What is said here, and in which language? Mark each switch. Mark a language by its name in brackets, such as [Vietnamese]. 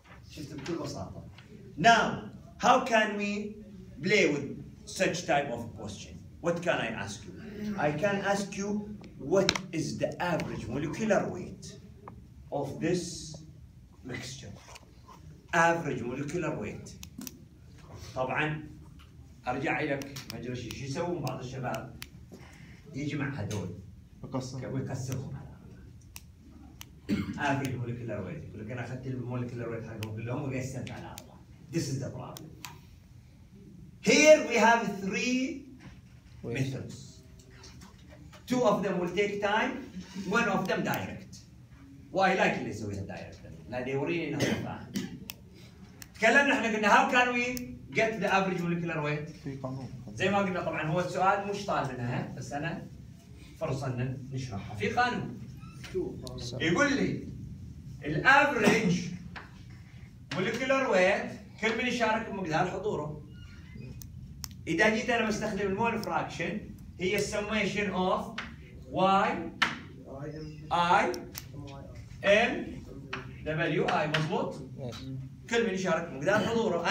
[Arabic] شفت بكل بساطة [English] Now how can we play with such type of question? What can I ask you? I can ask you what is the average molecular weight of this mixture? Average molecular weight. [Arabic] طبعا ارجع لك ما ادري ايش يسوون بعض الشباب يجمع هذول ويكسرهم هذه المولكيولار ويت يقول لك انا اخذت المولكيولار ويت حقهم كلهم وقسمت على اربعه. [English] This is the problem. Here we have three methods. Two of them will take time, one of them direct. Why like [Arabic] اللي يسويها direct؟ لانه يوريني انه فاهم. تكلمنا احنا قلنا [English] how can we get the average molecular weight؟ [Arabic] في قانون. زي ما قلنا طبعا هو السؤال مش طالب منها بس انا فرصه ان نشرحها. في قانون. يقول لي الافريج مولكيولر ويت كل من يشارك بمقدار حضوره. اذا جيت انا بستخدم المول فراكشن هي السميشن اوف واي اي ام دبليو اي مضبوط؟ كل من يشارك بمقدار حضوره.